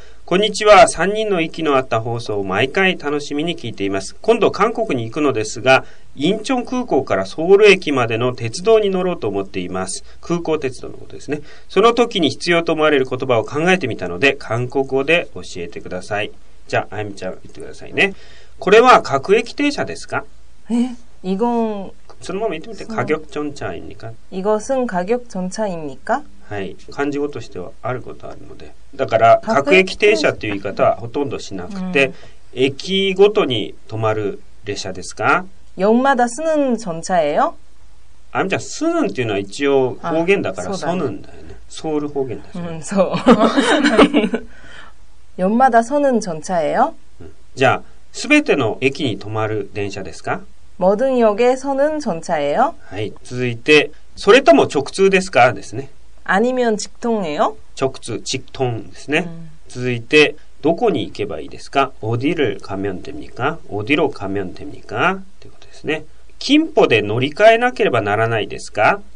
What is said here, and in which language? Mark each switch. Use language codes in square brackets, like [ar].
[ja] こんにちは3人の息の合った放送を毎回楽しみに聞いています今度韓国に行くのですがインチョン空港からソウル駅までの鉄道に乗ろうと思っています空港鉄道のことですねその時に必要と思われる言葉を考えてみたので韓国語で教えてくださいじゃああゆみちゃん言ってくださいねこれは各駅停車ですか? [ko] え?이건 [ja] そのまま言ってみて [ko] 가격전차입니까? 이것은가격전차입니까? [ja] はい漢字語としてはあることあるのでだから各駅停車という言い方はほとんどしなくて駅ごとに止まる列車ですか? [ko] 역마다쓰는전차예요? 아니죠쓰는 [ja] っていうのは一応方言だからそうだね、そうるんだよねソウル方言だそう [ko] 4마다 서는 전차예요? [ja] 자, 全ての駅に停まる電車ですか？ [ko] 모든역에서는전차예요？ [ja] はい、続いて、それとも直通ですか？ですね。 [ko] 아니면직통이에요？ [ja] 直通、直通ですね。続いて、どこに行けばいいですか？ [ko] 어디를가면됩니까？ 어디로가면됩니까？ [ja] ということですね。 김포で乗り換えなければならないですか？